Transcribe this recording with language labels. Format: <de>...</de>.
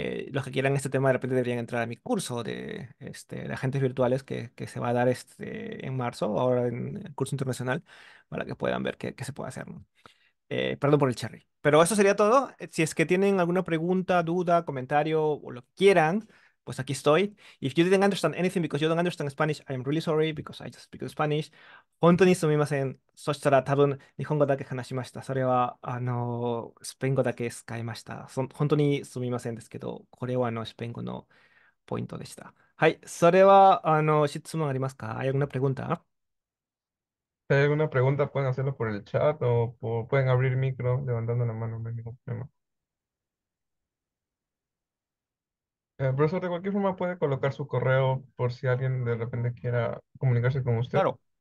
<es>Los que quieran este tema de repente deberían entrar a mi curso de agentes virtuales que se va a dar en marzo, ahora en el curso internacional, para que puedan ver qué se puede hacer, ¿no? Perdón por el cherry. Pero eso sería todo. Si es que tienen alguna pregunta, duda, comentario o lo que quieran, pues aquí estoy.</es> <en>If you didn't understand anything because you don't understand Spanish, I'm really sorry because I just speak Spanish.</en> <ja>本当にすみません。そしたら多分日本語だけ話しました。それは、スペイン語だけ使いました。本当にすみませんですけど、これはスペイン語のポイントでした。はい、それは、質問ありますか？</ja> <es>¿Hay alguna pregunta？ Si hay alguna pregunta, pueden hacerlo por el chat o pueden abrir el micro levantando la mano, no hay ningún problema. El profesor, de cualquier forma, puede colocar su correo por si alguien de repente quiera comunicarse con usted. Claro.</es>